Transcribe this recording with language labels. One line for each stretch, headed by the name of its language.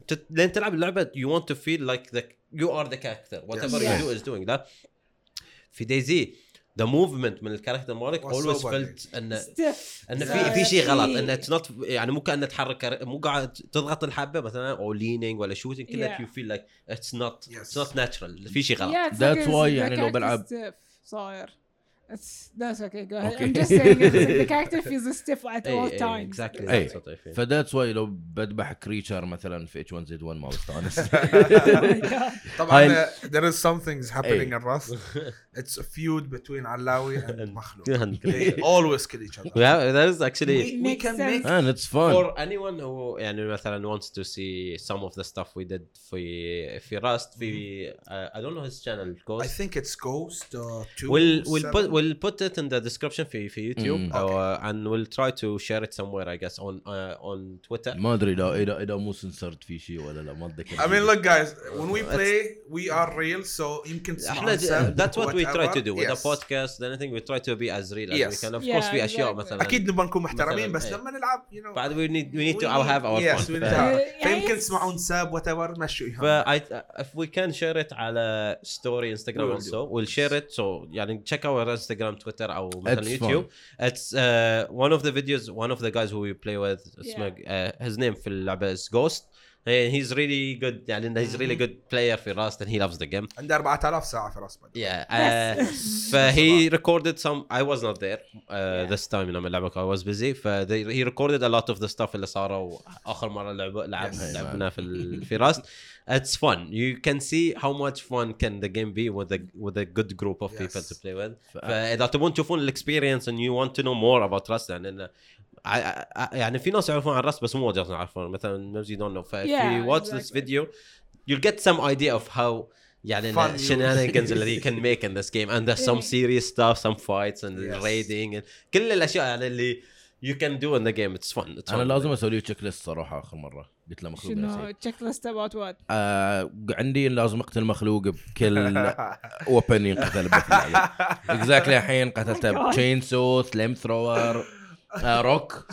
Arabic: لين تلعب اللعبة
English: you want to feel like the, you are the character whatever yes. you do is doing that.
Arabic: في DayZ the movement من الكاركتر مالك
English: always felt
Arabic: أن في شيء غلط أن it's not يعني مو كأن تحرك مو قاعد تضغط الحبة مثلاً أو leaning ولا shooting كله
English: yeah. you feel like it's not yes. it's not natural
Arabic: في شيء غلط
English: yeah, that's like why
Arabic: يعني لو بلعب
English: صاير that's okay go ahead okay. I'm just saying the character feels stiff at all times exactly that's what I feel. فthat's why لو بدبح creature مثلاً في H1Z1
Arabic: ما بستانس
English: طبعاً there is some things happening in Rust it's a feud between Allawi and Makhlouq they always kill each other yeah that is actually we can sense. Make and it's fun for anyone who يعني مثلاً wants to see some of the stuff we did في Rust في I don't know his channel Ghost. I think it's Ghost 2 we'll put we'll put it in the description for YouTube mm. okay. And we'll try to share it somewhere I guess on Twitter
Arabic: ما أدري إذا مو سنسرت في شيء ولا لا ما أدري
English: I mean look guys when we play we are real so you can that's what we try to do with yes. the podcast then I think we try to be as real as yes. we can of yeah, course في yeah, أشياء yeah.
Arabic: مثلا أكيد نبغى نكون محترمين بس لما نلعب
English: you know بعد we need to I'll have our
Arabic: yes, fun فيمكن تسمعون ساب whatever مشوا
English: but if we can share it على story Instagram also we'll share it so يعني check our Instagram, Twitter, or YouTube. Fun. It's one of the videos. One of the guys who we play with, yeah. His name في اللعبة is Ghost. And he's really good.
Arabic: يعني
English: he's mm-hmm. really good player في Rust and he loves the game.
Arabic: عنده 4000 ساعة في Rust.
English: Yeah. he recorded some. I was not there yeah. this time. لما لعبك I was busy. He recorded a lot of the stuff
Arabic: اللي صار آخر مرة لعبنا في في
English: Rust. It's fun. You can see how much fun can the game be with a good group of yes. people to play with.
Arabic: فإذا تبون تشوفون الexperience
English: and you want to know more about Rust and then,
Arabic: يعني في ناس يعرفون عن Rust بس مو واجهنا يعرفون مثلا ناس
English: you don't know. If yeah, you watch exactly. this video, you'll get some idea of how يعني shenanigans that you can make in this game and there's some serious stuff, some fights and yes. raiding and
Arabic: كل الأشياء يعني اللي
English: you can do in the game. It's fun. It's
Arabic: أنا لازم أسوي checklist صراحة آخر مرة. قلت له مخلوق شنو checklist about what عندي لازم اقتل مخلوق بكل weapon ينقتل بكل exactly الحين قتلته chainsaw flame thrower روك